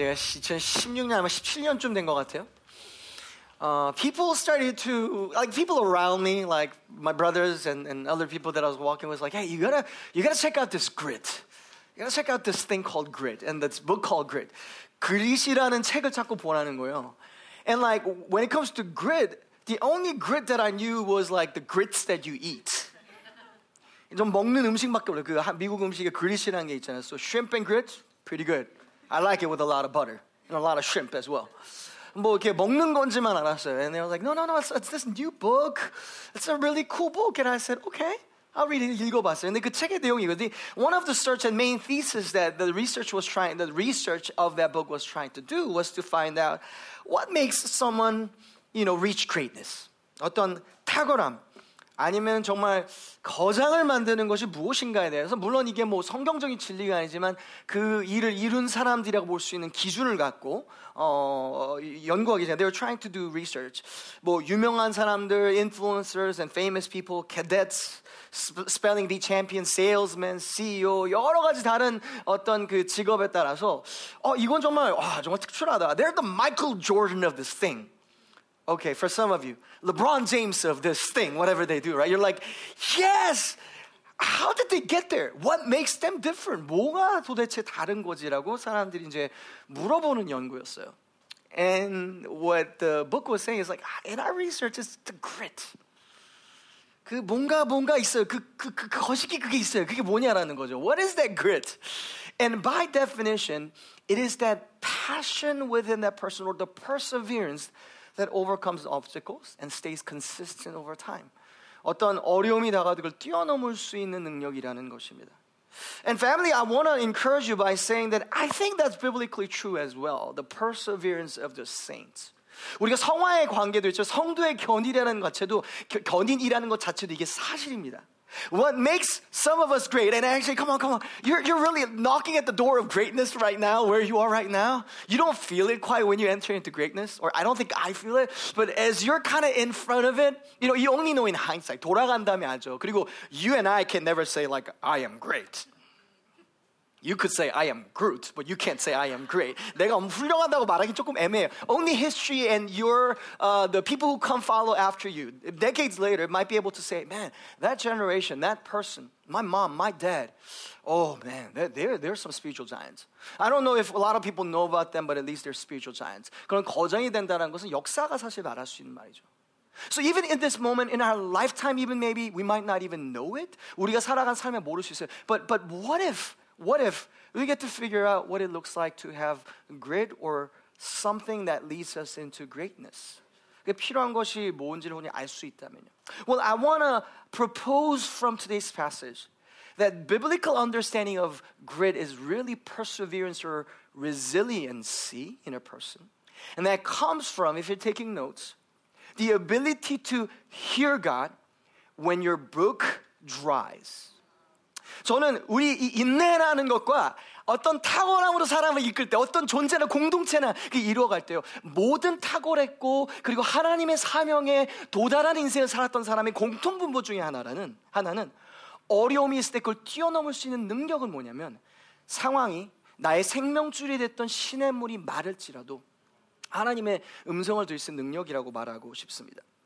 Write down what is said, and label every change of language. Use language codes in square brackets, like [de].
[ko] 제가 2016년 아마 17년쯤 된 것 같아요. [en] People started to, like people around me, like my brothers and other people that I was walking with, like, hey, you gotta check out this grit. You gotta check out this thing called grit and this book called grit. [ko] 그릿이라는 책을 찾고 보라는 거예요. [en] And like, when it comes to grit, the only grit that I knew was like the grits that you eat. [ko] 좀 먹는 음식밖에 없어요. 그 미국 음식에 그릿이라는 게 있잖아요. [en] So shrimp and grits, pretty good. I like it with a lot of butter and a lot of shrimp as well. [ko] 뭐 이렇게 먹는 건지만 알았어요. [en] And they were like, no, it's this new book. It's a really cool book. And I said, okay, I'll read it. [ko] 읽어봤어요. 근데 그 책의 내용이 이거. [en] One of the search and main thesis that the research of that book was trying to do was to find out what makes someone, you know, reach greatness. [ko] 어떤 탁월함. 아니면 정말 거장을 만드는 것이 무엇인가에 대해서 물론 이게 뭐 성경적인 진리가 아니지만 그 일을 이룬 사람들이라고 볼 수 있는 기준을 갖고 연구하기 전에 [en] they were trying to do research. [ko] 뭐 유명한 사람들, [en] influencers and famous people, cadets, spelling bee champions, salesmen, [ko] CEO 여러 가지 다른 어떤 그 직업에 따라서 이건 정말 정말 특출하다. [en] They're the Michael Jordan of this thing. Okay, for some of you, LeBron James of this thing, whatever they do, right? You're like, yes! How did they get there? What makes them different? [ko] 뭐가 도대체 다른 거지라고 사람들이 이제 물어보는 연구였어요. [en] And what the book was saying is like, in our research, it's the grit. [ko] 그 뭔가 있어요. 그 거시기 그게 있어요. 그게 뭐냐라는 거죠. [en] What is that grit? And by definition, it is that passion within that person or the perseverance that overcomes obstacles and stays consistent over time. [ko] 어떤 어려움이 다가도 그걸 뛰어넘을 수 있는 능력이라는 것입니다. [en] And family, I want to encourage you by saying that I think that's biblically true as well. The perseverance of the saints. [ko] 우리가 성화의 관계도 있죠. 성도의 견인이라는 것 자체도 이게 사실입니다. [en] What makes some of us great? And actually, come on. You're really knocking at the door of greatness right now, where you are right now. You don't feel it quite when you enter into greatness, or I don't think I feel it. But as you're kind of in front of it, you know, you only know in hindsight. [ko] 돌아간 다음에 알죠. 그리고 [en] you and I can never say like, I am great. You could say I am Groot, but you can't say I am great. [ko] 내가 훌륭하다고 말하기 조금 애매해요. [en] Only history and the people who come follow after you, decades later, might be able to say, man, that generation, that person, my mom, my dad, oh man, they're some spiritual giants. I don't know if a lot of people know about them, but at least they're spiritual giants. [ko] 그런 거장이 된다는 것은 역사가 사실 말할 수 있는 말이죠. [en] So even in this moment, in our lifetime, even maybe, we might not even know it. [ko] 우리가 살아간 삶에 모를 수 있어요. [en] But what if? What if we get to figure out what it looks like to have grit or something that leads us into greatness? [ko] 필요한 것이 뭔지를 혼자 알 수 있다면요. [en] Well, I want to propose from today's passage that biblical understanding of grit is really perseverance or resiliency in a person. And that comes from, if you're taking notes, the ability to hear God when your brook dries. [ko] 저는 우리 이 인내라는 것과 어떤 탁월함으로 사람을 이끌 때 어떤 존재나 공동체나 그 이루어갈 때요 모든 탁월했고 그리고 하나님의 사명에 도달한 인생을 살았던 사람의 공통분모 중에 하나는 어려움이 있을 때 그걸 뛰어넘을 수 있는 능력은 뭐냐면 상황이 나의 생명줄이 됐던 시냇물이 마를지라도 하나님의 음성을 들을 수 있는 능력이라고 말하고 싶습니다.